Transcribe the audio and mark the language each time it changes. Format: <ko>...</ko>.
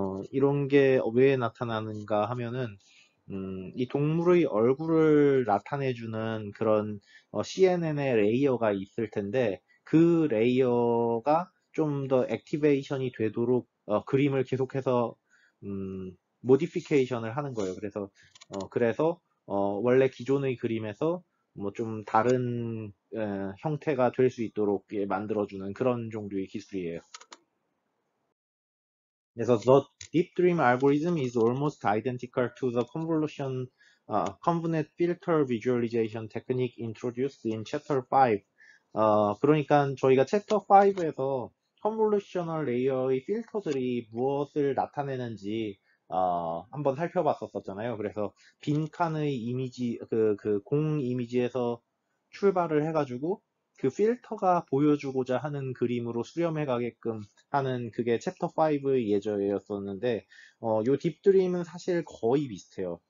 <ko>이런 게왜 나타나는가 하면은 이 동물의 얼굴을 나타내주는 그런 CNN의 레이어가 있을 텐데 그 레이어가 좀더 액티베이션이 되도록 그림을 계속해서 모디피케이션을 하는 거예요. 그래서 원래 기존의 그림에서 뭐좀 다른 형태가 될수 있도록 만들어주는 그런 종류의 기술이에요.</ko> <en>그래서 The Deep Dream Algorithm is almost identical to the convolution, convnet filter visualization technique introduced in Chapter 5.</en> <ko>그러니까 저희가 Chapter 5에서 컨볼루셔널 레이어의 필터들이 무엇을 나타내는지 한번 살펴봤었잖아요. 그래서 빈칸의 이미지, 공 이미지에서 출발을 해가지고 그 필터가 보여주고자 하는 그림으로 수렴해 가게끔 하는 그게 챕터 5의 예제였었는데, 요 딥드림은 사실 거의 비슷해요.</ko>